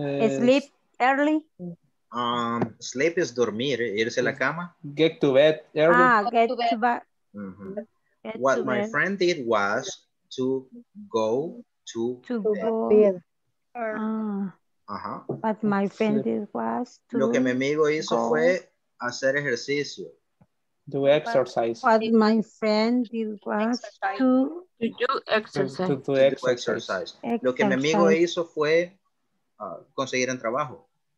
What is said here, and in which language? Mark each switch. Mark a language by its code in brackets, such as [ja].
[en] What my friend did was to sleep early. Sleep is [es] dormir, irse a la cama. [en] Get to bed early. Get to bed. Mm-hmm. What my friend did was to go to bed. [es] Lo que mi amigo hizo fue hacer ejercicio. [en] Do exercise. What my friend did was to do exercise. [es] Lo que mi amigo hizo fue conseguir un trabajo.